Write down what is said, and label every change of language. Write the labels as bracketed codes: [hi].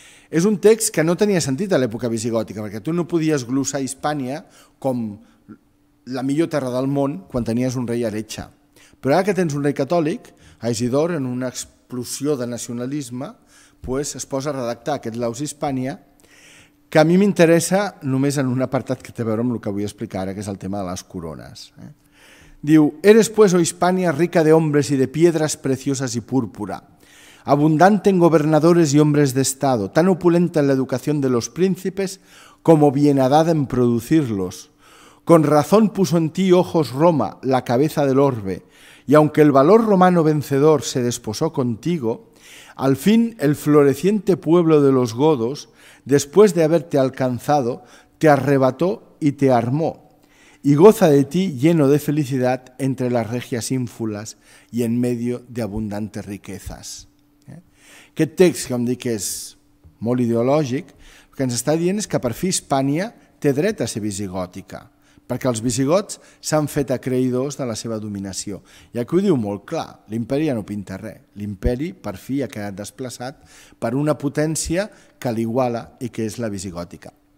[ca] És un text que no tenia sentit a l'època visigòtica, perquè tu no podies glossar Hispània com la millor terra del món quan tenies un rei heretge. Però ara que tens un rei catòlic, a Isidor, en una explosió de nacionalisme, pues es posa a redactar aquest Laus Hispània, que a mi m'interessa només en un apartat que té a veure amb el que vull explicar ara, que és el tema de les corones. [es] Diu, eres pues, oh Hispania, rica de hombres y de piedras preciosas y púrpura, abundante en gobernadores y hombres de Estado, tan opulenta en la educación de los príncipes como bienhadada en producirlos. Con razón puso en ti ojos Roma, la cabeza del orbe, y aunque el valor romano vencedor se desposó contigo, al fin el floreciente pueblo de los godos, después de haberte alcanzado, te arrebató y te armó, y goza de ti lleno de felicidad entre las regias ínfulas y en medio de abundantes riquezas. [ca] Aquest text, que em dic que és molt ideològic, el que ens està dient és que per fi Hispània té dret a ser visigòtica, perquè els visigots s'han fet acreïdors de la seva dominació. I aquí ho diu molt clar, l'imperi ja no pinta res, l'imperi per fi ha quedat desplaçat per una potència que l'iguala i que és la visigòtica.